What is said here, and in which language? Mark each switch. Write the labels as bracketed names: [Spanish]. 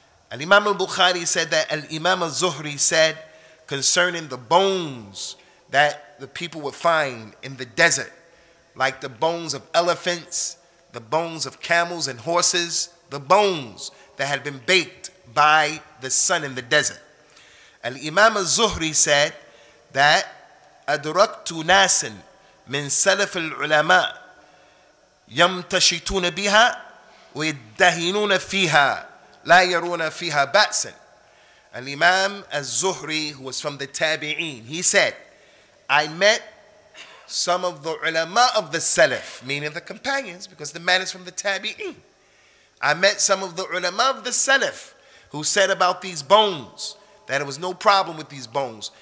[English] Al-Imam al-Bukhari said that Al-Imam al-Zuhri said concerning the bones that the people would find in the desert, like the bones of elephants, the bones of camels and horses, the bones that had been baked by the sun in the desert. Al-Imam al-Zuhri said that [Arabic] أَدْرَكْتُ نَاسٍ مِنْ سَلَفِ الْعُلَمَاءِ يَمْتَشِتُونَ بِهَا وَيَدَّهِنُونَ فِيهَا لَا يَرُونَ فِيهَا بَأْسًا. [English] Al-Imam al-Zuhri, who was from the Tabi'een, he said, I met some of the ulama of the Salaf, meaning the companions, because the man is from the Tabi'een. I met some of the ulama of the Salaf who said about these bones that it was no problem with these bones.